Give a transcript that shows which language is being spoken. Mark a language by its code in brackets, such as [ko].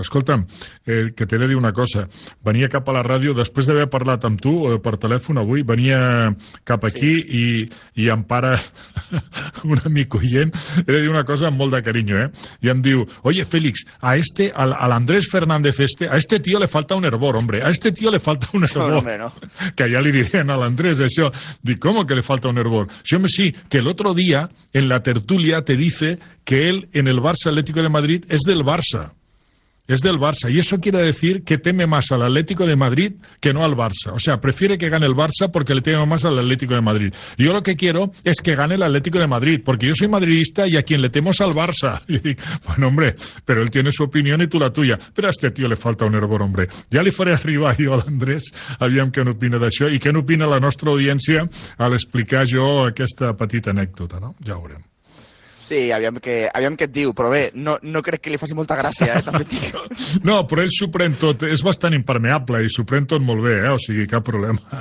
[ca] Escolta'm, que t'he de dir una cosa. Venia cap a la ràdio, després d'haver parlat amb tu per telèfon avui, venia cap aquí sí. I em para un amic oient. He de dir una cosa amb molt de carinyo, eh? I em diu, [es] oye, Félix, a este, a l'Andrés Fernández este, a este tío le falta un hervor, hombre. A este tío le falta un hervor. No, hombre, no. [ca] Que ja li dirien a l'Andrés això. [es] Dic, ¿cómo que le falta un hervor? [ca] Sí, home, sí, [es] que el otro día en la tertulia te dice que él en el Barça Atlético de Madrid es del Barça. Es del Barça. Y eso quiere decir que teme más al Atlético de Madrid que no al Barça. O sea, prefiere que gane el Barça porque le teme más al Atlético de Madrid. Yo lo que quiero es que gane el Atlético de Madrid, porque yo soy madridista y a quien le temo es al Barça. Y bueno, hombre, pero él tiene su opinión y tú la tuya. Pero a este tío le falta un hervor, hombre. Ya le faré arriba yo [ca] a Andrés, aviam què n'opina d'això i què n'opina la nostra audiència al explicar jo aquesta petita anècdota, no? Ja ho veurem. Sí, aviam què et diu, però bé, no crec que li faci molta gràcia, també et dic. No, però ell s'ho pren tot, és bastant impermeable i s'ho pren tot molt bé, o sigui, cap problema.